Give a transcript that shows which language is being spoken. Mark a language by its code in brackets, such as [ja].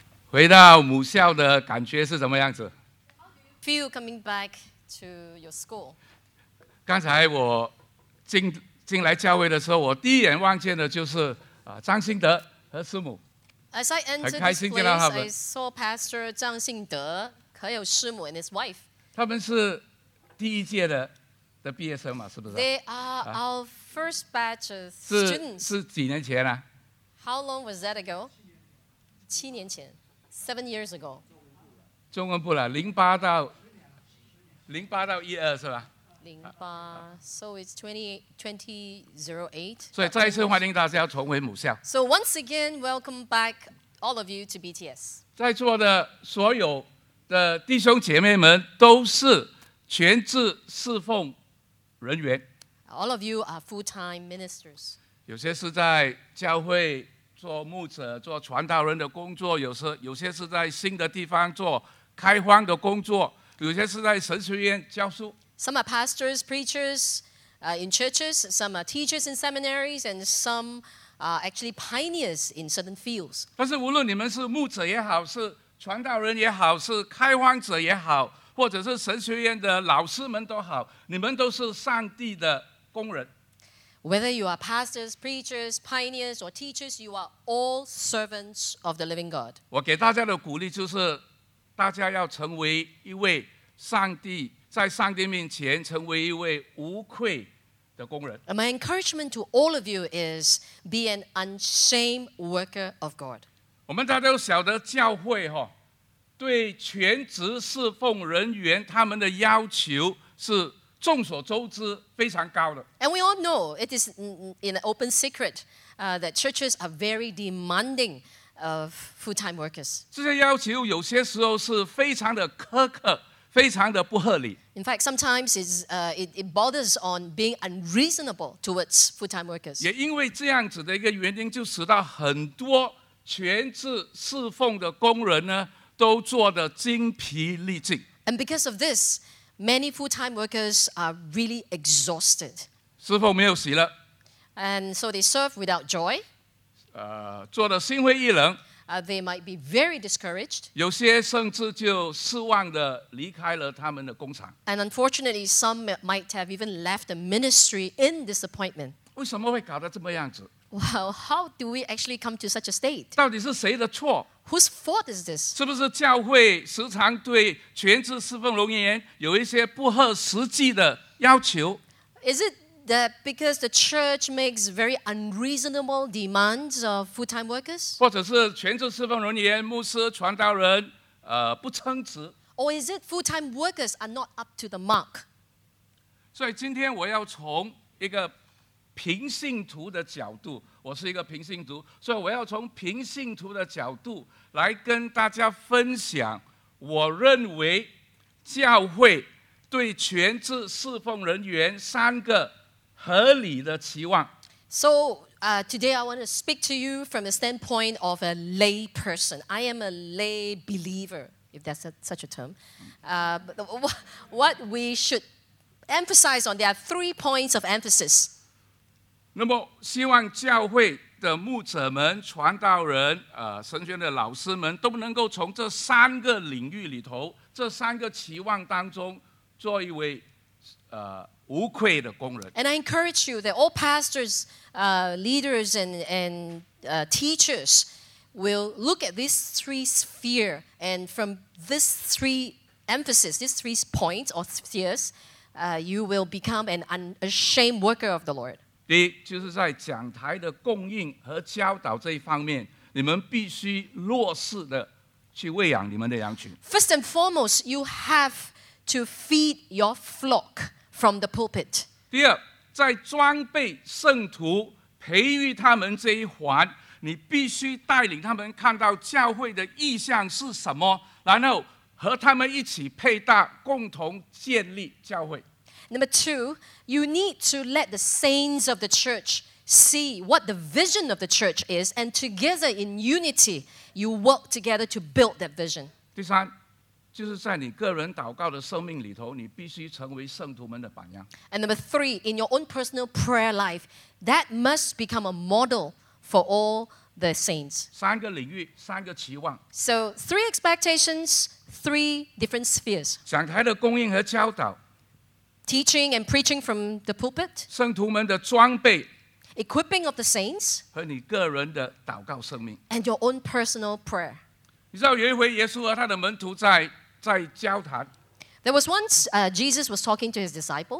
[zh] 回到母校的感觉是什么样子 [en] ？Feel coming back to your school。 [zh] 刚才我进来教会的时候，我第一眼望见的就是张新德和师母。 [en] As I entered this place, I saw Pastor 张新德 [zh] 还有师母 [en] and his wife. [zh] 他们是第一届的毕业生嘛，是不是 [en] ？They are our first batch of students. [zh] 是几年前啊 [en] ？How long was that ago? [zh] 7年前 [en] ，7 years ago. [zh] 中文部了，08到12是吧？ [en] 08 so it's 2008. [zh] 所以再一次欢迎大家重回母校。 [en] So once again, welcome back all of you to BTS. [zh] 在座的所有的弟兄姐妹们都是全职侍奉人员。 [en] All of you are full-time ministers. [zh] 有些是在教会做牧者、做传道人的工作，有些是在新的地方做开荒的工作，有些是在神学院教书。 [en] Some are pastors, preachers, in churches. Some are teachers in seminaries, and some are actually pioneers in certain fields. [zh] 但是无论你们是牧者也好，是传道人也好，是开荒者也好，或者是神学院的老师们都好，你们都是上帝的工人。 [en] Whether you are pastors, preachers, pioneers, or teachers, you are all servants of the living God. [zh] 我给大家的鼓励就是，大家要成为一位上帝。在上帝面前成为一位无愧的工人。 [en] My encouragement to all of you is be an unashamed worker of God. [zh] 我们大家都晓得教会对全职侍奉人员他们的要求是众所周知非常高的。 [en] And we all know it is in an open secret that churches are very demanding of full-time workers. [zh] 这些要求有些时候是非常的苛刻。非常的不合理。 [en] In fact, sometimes it borders on being unreasonable towards full-time workers. [zh] 也因为这样子的一个原因，就使到很多全职侍奉的工人呢，都做得精疲力尽。 [en] And because of this, many full-time workers are really exhausted. [zh] 侍奉没有喜乐。 [en] And so they serve without joy. [zh] 做得心灰意冷。 [en] They might be very discouraged. [zh] 有些甚至就失望地离开了他们的工厂。 [en] And unfortunately, some might have even left the ministry in disappointment. [zh] 为什么会搞得这么样子？ [en] Well, how do we actually come to such a state? [zh] 到底是谁的错？ [en] Whose fault is this? [zh] 是不是教会时常对全职侍奉人员有一些不合实际的要求？ [en] Is it that because the church makes very unreasonable demands of full-time workers? [zh] 或者是全职侍奉人员、牧师、传道人，不称职。 [en] Or is it full-time workers are not up to the mark? [zh] 所以今天我要从一个平信徒的角度，我是一个平信徒，所以我要从平信徒的角度来跟大家分享，我认为教会对全职侍奉人员三个合理的期望。 [en] So, today I want to speak to you from the standpoint of a lay person. I am a lay believer, if that's such a term. But what we should emphasize on, there are three points of emphasis. [zh] 那么希望教会的牧者们、传道人、神学的老师们都能够从这三个领域里头、这三个期望当中做一位无愧的工人。 [en] And I encourage you that all pastors, leaders, and teachers will look at these three spheres and from these three emphasis, these three points or spheres, you will become an unashamed worker of the Lord. [zh] 第一，就是在讲台的供应和教导这一方面，你们必须落实的去喂养你们的羊群。 [en] First and foremost, you have to feed your flock. From the pulpit. [zh] 第二，在装备圣徒、培育他们这一环，你必须带领他们看到教会的意向是什么，然后和他们一起配搭，共同建立教会。 [en] Number two, you need to let the saints of the church see what the vision of the church is, and together in unity, you work together to build that vision. [zh] 第三。就是在你个人祷告的生命里头，你必须成为圣徒们的榜样。 [en] And number three, in your own personal prayer life, that must become a model for all the saints. [zh] 三个领域，三个期望。 [en] So three expectations, three different spheres. [zh] 讲台的供应和教导。 [en] Teaching and preaching from the pulpit. [zh] 圣徒们的装备。 [en] Equipping of the saints. [zh] 和你个人的祷告生命。 [en] And your own personal prayer. [zh] 你知道有一回耶稣和他的门徒在交谈。 [en] There was once Jesus was talking to his disciples.